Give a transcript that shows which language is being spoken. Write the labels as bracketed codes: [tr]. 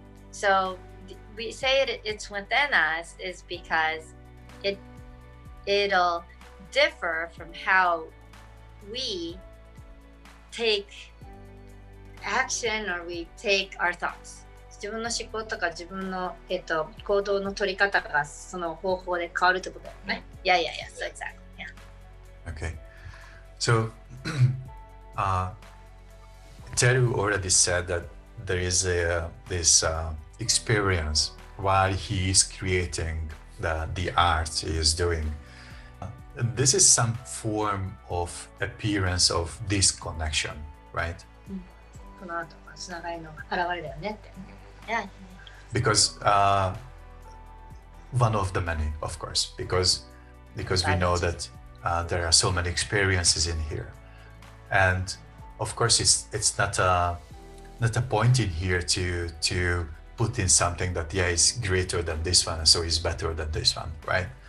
[en] So we say it's within us is because it'll differ from how we take action or we take our thoughts. [ja] 自分の思考とか自分の、行動の取り方がその方法で変わるってことだよね。 [en] Yeah, yeah, yeah. So exactly. Yeah. Okay. So, Teru already said that there is this experience while he is creating the art he is doing. This is some form of appearance of disconnection, right? [ja] この後がつながりの現れだよねって。 [en] Yeah. Because one of the many, of course, because we know that there are so many experiences in here. And of course, it's not a point in here to put in something that, yeah, is greater than this one, so is better than this one, right?